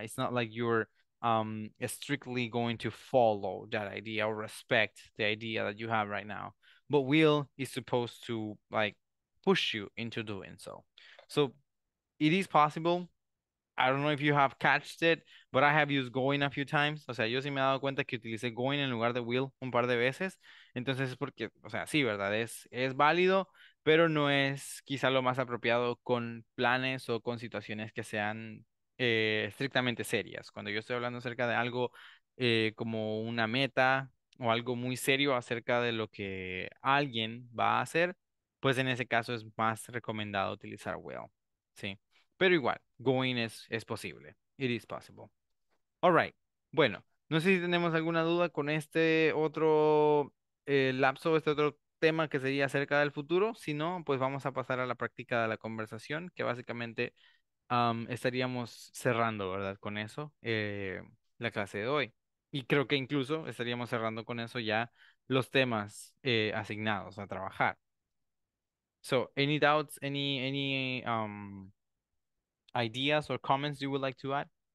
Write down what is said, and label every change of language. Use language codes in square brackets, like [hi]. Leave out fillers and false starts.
[en] It's not like you're strictly going to follow that idea or respect the idea that you have right now. But will is supposed to, like, push you into doing so. So it is possible. I don't know if you have catched it, but I have used going a few times. [es] O sea, yo sí me he dado cuenta que utilicé going en lugar de will un par de veces. Entonces es porque, o sea, sí, ¿verdad? Es válido, pero no es quizá lo más apropiado con planes o con situaciones que sean estrictamente serias. Cuando yo estoy hablando acerca de algo como una meta o algo muy serio acerca de lo que alguien va a hacer, pues en ese caso es más recomendado utilizar will, ¿sí? Pero igual, going es posible. [en] It is possible. All right. [es] Bueno, no sé si tenemos alguna duda con este otro lapso, este otro tema que sería acerca del futuro. Si no, pues vamos a pasar a la práctica de la conversación, que básicamente estaríamos cerrando, ¿verdad? Con eso, la clase de hoy. Y creo que incluso estaríamos cerrando con eso ya los temas asignados a trabajar. [en] So, any doubts, any ideas or comments you would like to add?